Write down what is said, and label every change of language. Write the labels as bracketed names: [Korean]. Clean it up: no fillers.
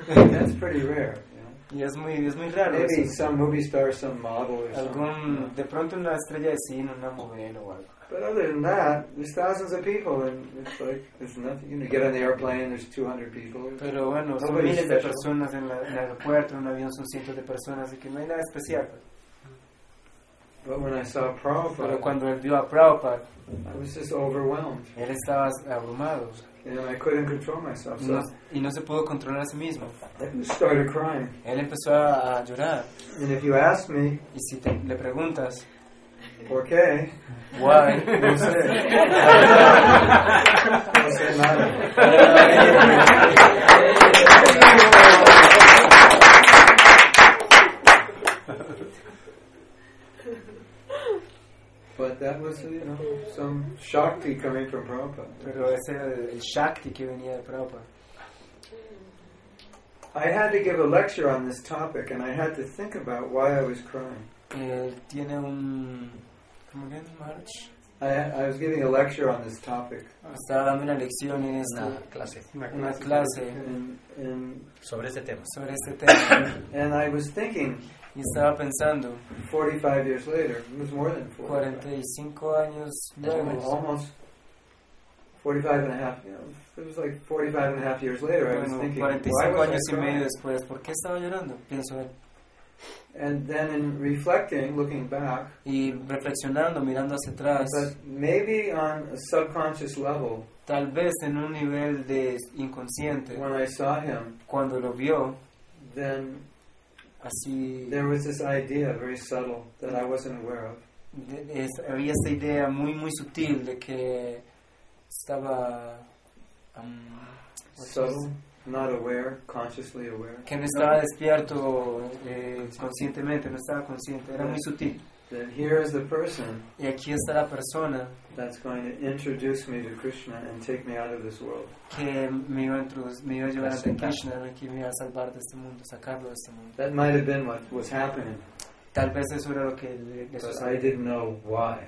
[English] That's pretty rare, you know? [Spanish] Y es muy raro. [English] Maybe [Spanish] eso. [English] Some movie star, some model, or [Spanish] algún, [English] something, you know? [Spanish] De pronto una estrella de cine, una modelo o algo. [English] But other than that, there's thousands of people, and it's like there's nothing. You know, get on the airplane, there's 200 people. [Spanish] Pero bueno, son miles de personas en el aeropuerto, en un avión son cientos de personas, así que no hay nada especial. [English] But when I saw Prabhupada, [Spanish] pero cuando él vio a Prabhupada, [English] I was just overwhelmed. [Spanish] Él estaba abrumado. [English] And I couldn't control myself. So [Spanish] no, y no se pudo controlar a sí mismo. [English] I started crying. [Spanish] Él empezó a llorar. [English] And if you ask me, [Spanish] y si te, le preguntas, ¿por qué? [English] Why? [Spanish] No sé. No sé nada. [English] But that was, you know, some Shakti coming from Prabhupada. [Spanish] Pero ese era el Shakti que venía de Prabhupada. [English] I had to give a lecture on this topic, and I had to think about why I was crying. [Spanish] Tiene un... ¿Cómo que es, March? [English] I was giving a lecture on this topic. [Spanish] Estaba dando una lección en esta clase. Una clase. Sobre este tema. Sobre este tema. [English] And I was thinking. [Spanish] Y estaba pensando. [English] 45 years later. It was more than 45. [Spanish] 45 años luego. [English] Almost 45 and a half, you know. It was like 45 and a half years later. [Spanish] Bueno, [English] I was thinking, [Spanish] 45 años y medio después. ¿Por qué estaba llorando? Pienso él. [English] And then in reflecting, looking back, [Spanish] y reflexionando, mirando hacia atrás, [English] but maybe on a subconscious level, [Spanish] tal vez en un nivel de inconsciente, [English] when I saw him, [Spanish] cuando lo vio, [English] then [Spanish] así, [English] there was this idea, very subtle, that I wasn't aware of. [Spanish] Había esta idea muy, muy sutil de que estaba... [English] subtle. Not aware, consciously aware. [Spanish] Que no estaba despierto conscientemente, no estaba consciente, era muy sutil. [English] Then here is the person. [Spanish] Y aquí está la persona. [English] That's going to introduce me to Krishna and take me out of this world. [Spanish] Que me iba a llevar a Krishna, que me iba a salvar de este mundo, sacarlo de este mundo. [English] That might have been what was happening. [Spanish] Tal vez eso era lo que le sucedió. [English] I didn't know why.